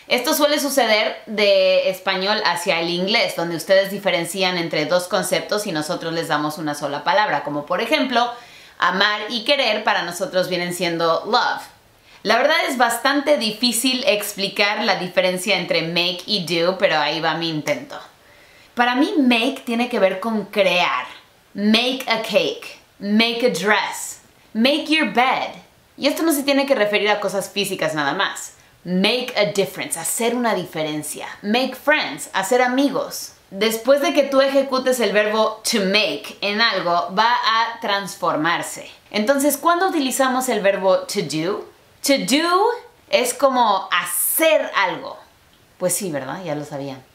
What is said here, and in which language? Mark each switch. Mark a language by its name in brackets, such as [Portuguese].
[Spanish] Esto suele suceder de español hacia el inglés, donde ustedes diferencian entre dos conceptos y nosotros les damos una sola palabra, como por ejemplo, amar y querer para nosotros vienen siendo love. La verdad es bastante difícil explicar la diferencia entre make y do, pero ahí va mi intento. Para mí, make tiene que ver con crear. [English] Make a cake, make a dress, make your bed. [Spanish] Y esto no se tiene que referir a cosas físicas nada más. [English] Make a difference, [Spanish] hacer una diferencia. [English] Make friends, [Spanish] hacer amigos. Después de que tú ejecutes el verbo to make en algo, va a transformarse. Entonces, ¿cuándo utilizamos el verbo to do? To do es como hacer algo. Pues sí, ¿verdad? Ya lo sabían.